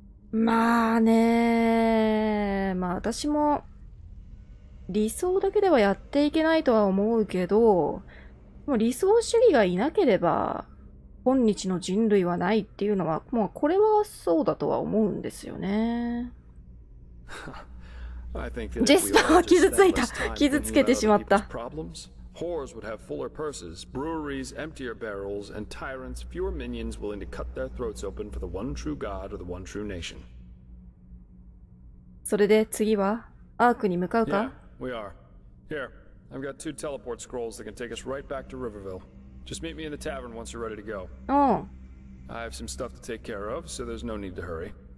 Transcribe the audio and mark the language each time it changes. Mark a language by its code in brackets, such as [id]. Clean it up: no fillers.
[ja] まあね、まあ私も理想だけではやっていけないとは思うけど、もう理想主義がいなければ今日の人類はないっていうのは、もうこれはそうだとは思うんですよね。ジェスパーは傷ついた。傷つけてしまった。 [en] Whores would have fuller purses, breweries emptier barrels, and tyrants fewer minions willing to cut their throats open for the one true God or the one true nation. [ja] それで次はアークに向かうか? [en] Yeah, we are. Here, I've got two teleport scrolls that can take us right back to Riverville. Just meet me in the tavern once you're ready to go. Oh. I have some stuff to take care of, so there's no need to hurry.